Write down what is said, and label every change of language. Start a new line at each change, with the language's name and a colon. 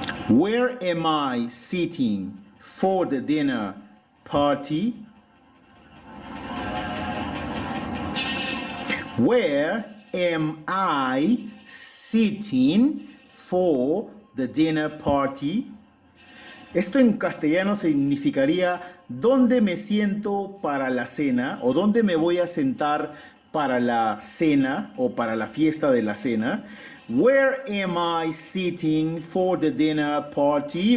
English: Where am I sitting for the dinner party? Where am I sitting for the dinner party?
Spanish: Esto en castellano significaría ¿dónde me siento para la cena? ¿O dónde me voy a sentar para la cena o para la fiesta de la cena?
English: Where am I sitting for the dinner party?